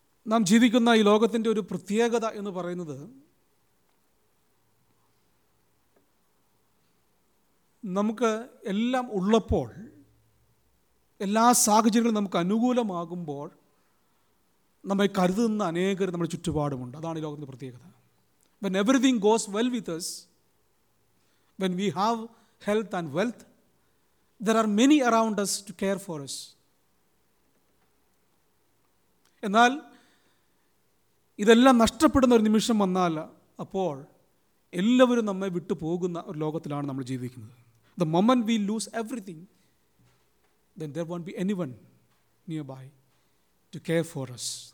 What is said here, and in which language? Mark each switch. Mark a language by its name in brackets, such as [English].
[Malayalam] നാം ജീവിക്കുന്ന ഈ ലോകത്തിൻ്റെ ഒരു പ്രത്യേകത എന്ന് പറയുന്നത് നമുക്ക് എല്ലാം ഉള്ളപ്പോൾ, എല്ലാ സാഹചര്യങ്ങളും നമുക്ക് അനുകൂലമാകുമ്പോൾ നമ്മെ കരുതുന്ന അനേകർ നമ്മുടെ ചുറ്റുപാടുമുണ്ട്. അതാണ് ഈ ലോകത്തിൻ്റെ പ്രത്യേകത. [English] When everything goes well with us, when we have health and wealth, there are many around us to care for us. [Malayalam] എന്നാൽ ഇതെല്ലാം നഷ്ടപ്പെടുന്ന ഒരു നിമിഷം വന്നാൽ അപ്പോൾ എല്ലാവരും നമ്മെ വിട്ടുപോകുന്ന ഒരു ലോകത്തിലാണ് നമ്മൾ ജീവിക്കുന്നത്. [English] The moment we lose everything then there won't be anyone nearby to care for us.